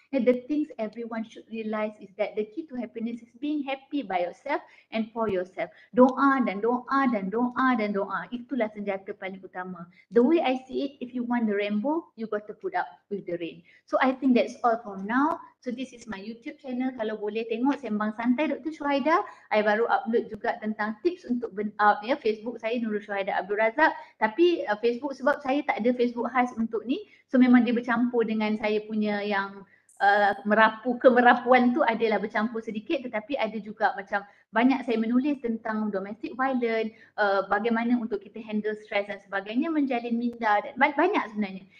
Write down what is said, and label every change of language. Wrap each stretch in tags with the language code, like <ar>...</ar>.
<en>And the things everyone should realize is that the key to happiness is being happy by yourself and for yourself.</en> <ms>Doa dan doa dan doa dan doa. Itulah senjata paling utama.</ms> <en>The way I see it, if you want the rainbow, you got to put up with the rain. So I think that's all from now. So this is my YouTube channel.</en> <ms>Kalau boleh tengok</ms> <en>Sembang Santai Dr. Shuhaida.</en> <ms>I baru upload juga tentang tips untuk burn out ya. Facebook saya Nurul Shuhaida Abdul Razak. Tapi Facebook sebab saya tak ada Facebook khas untuk ni. So memang dia bercampur dengan saya punya yang merapu, kemerapuan tu adalah bercampur sedikit, tetapi ada juga macam banyak saya menulis tentang domestic violence, bagaimana untuk kita handle stress dan sebagainya, menjalin minda dan banyak sebenarnya.</ms>